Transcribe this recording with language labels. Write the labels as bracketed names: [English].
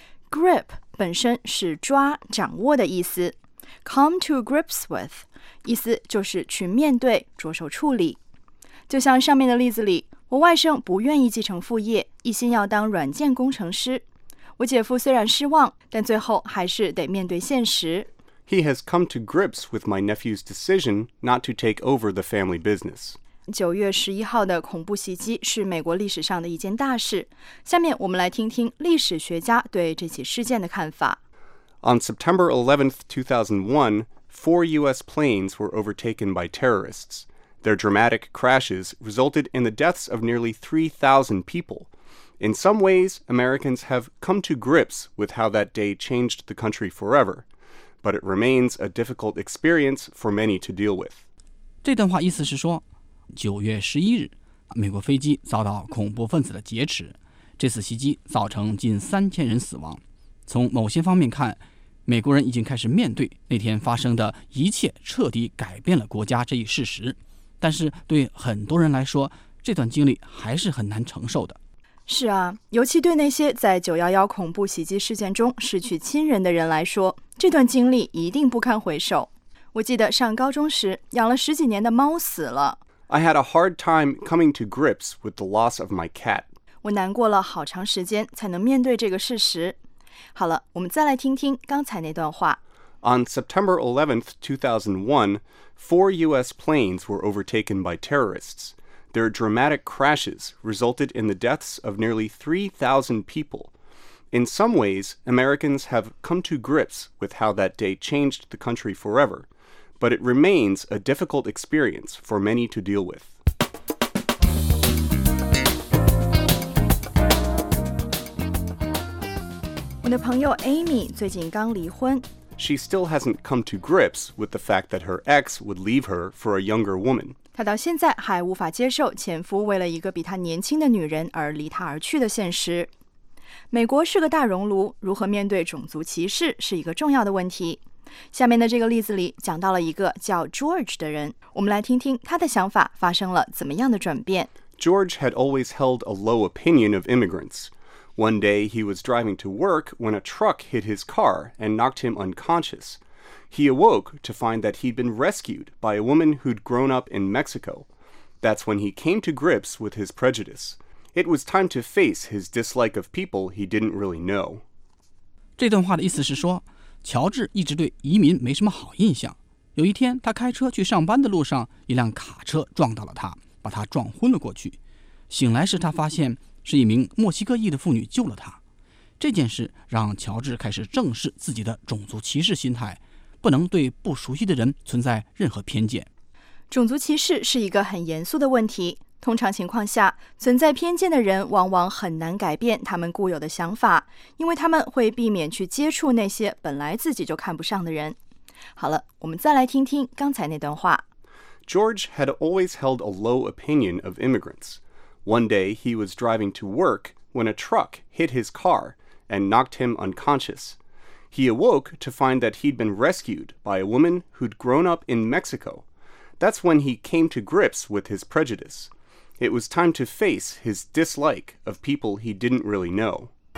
[Chinese] Grip 本身是抓、掌握的意思。 [English] Come to grips with, [Chinese] 意思就是去面对、着手处理。就像上面的例子里，我外甥不愿意继承父业，一心要当软件工程师。我姐夫虽然失望，但最后还是得面对现实。 [English] He has come to grips with my nephew's decision not to take over the family business. [Chinese] 9月11号的恐怖袭击是美国历史上的一件大事。下面我们来听听历史学家对这起事件的看法。 [English] On September 11th, 2001, four U.S. planes were overtaken by terrorists. Their dramatic crashes resulted in the deaths of nearly 3,000 people. In some ways, Americans have come to grips with how that day changed the country forever. But it remains a difficult experience for many to deal with. [Chinese] 这段话意思是说，九月十一日，美国飞机遭到恐怖分子的劫持，这次袭击造成近3000人死亡。从某些方面看，美国人已经开始面对那天发生的一切彻底改变了国家这一事实。但是对很多人来说，这段经历还是很难承受的。是啊，尤其对那些在911恐怖袭击事件中失去亲人的人来说，这段经历一定不堪回首。我记得上高中时，养了十几年的猫死了。 [English] I had a hard time coming to grips with the loss of my cat. [Chinese] 我难过了好长时间才能面对这个事实。好了，我们再来听听刚才那段话。 [English] On September 11th, 2001, four U.S. planes were overtaken by terrorists. Their dramatic crashes resulted in the deaths of nearly 3,000 people. In some ways, Americans have come to grips with how that day changed the country forever, but it remains a difficult experience for many to deal with. My friend [Chinese] Amy 最近刚离婚。 [English] She still hasn't come to grips with the fact that her ex would leave her for a younger woman. [Chinese] 她到现在还无法接受前夫为了一个比她年轻的女人而离她而去的现实。美国是个大熔炉，如何面对种族歧视是一个重要的问题。下面的这个例子里讲到了一个叫 George 的人，我们来听听他的想法发生了怎么样的转变。 [English] George had always held a low opinion of immigrants. One day, he was driving to work when a truck hit his car and knocked him unconscious. He awoke to find that he'd been rescued by a woman who'd grown up in Mexico. That's when he came to grips with his prejudice. It was time to face his dislike of people he didn't really know. [Chinese] 这段话的意思是说，乔治一直对移民没什么好印象。有一天，他开车去上班的路上，一辆卡车撞到了他，把他撞昏了过去。醒来时，他发现是一名墨西哥裔的妇女救了他。这件事让乔治开始正视自己的种族歧视心态，不能对不熟悉的人存在任何偏见。种族歧视是一个很严肃的问题，通常情况下，存在偏见的人往往很难改变他们固有的想法，因为他们会避免去接触那些本来自己就看不上的人。好了，我们再来听听刚才那段话。 [English] George had always held a low opinion of immigrants. One day, he was driving to work when a truck hit his car and knocked him unconscious. He awoke to find that he'd been rescued by a woman who'd grown up in Mexico. That's when he came to grips with his prejudice. It was time to face his dislike of people he didn't really know.